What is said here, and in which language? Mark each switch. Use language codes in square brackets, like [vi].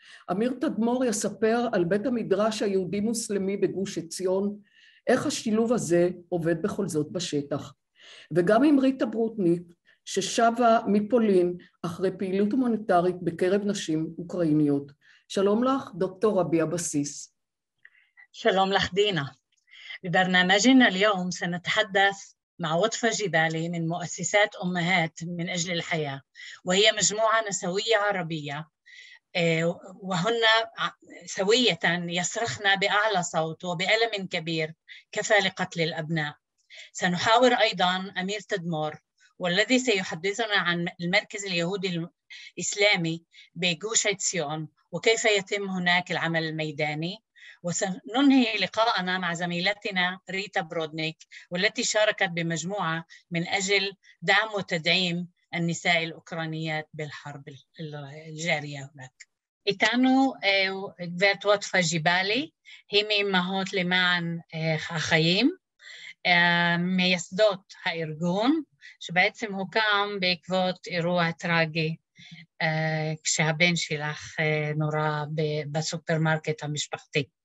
[he] אמיר תדמור יספר על בית המדרש היהודי מוסלמי בגוש עציון, איך השילוב הזה עובד בכל זאת בשטח. וגם עם ריטה ברוטניק, ששבה מפולין אחרי פעילות הומניטרית בקרב נשים אוקראיניות. שלום לך, דוקטור רבי אבסיס. שלום לך דינה. [ar] ببرنامجنا اليوم سنتحدث مع وطفة جبالي من مؤسسات أمهات من أجل الحياة وهي مجموعة نسوية عربية وهن سوية يصرخن بأعلى صوت وبألم كبير كفى لقتل الأبناء. سنحاور أيضا أمير تدمور والذي سيحدثنا عن المركز اليهودي الإسلامي بجوش عتسيون وكيف يتم هناك العمل الميداني وسننهي لقاءنا مع زميلتنا ريتا برودنيك والتي شاركت بمجموعة من أجل دعم وتدعيم النساء الأوكرانيات بالحرب الجارية هناك. [he] איתנו גברת וטפה ג'יבלי, היא מאמהות למען החיים, מייסדות הארגון, שבעצם הוקם בעקבות אירוע טרגי, כשהבן שלך נורא בסופרמרקט המשפחתי.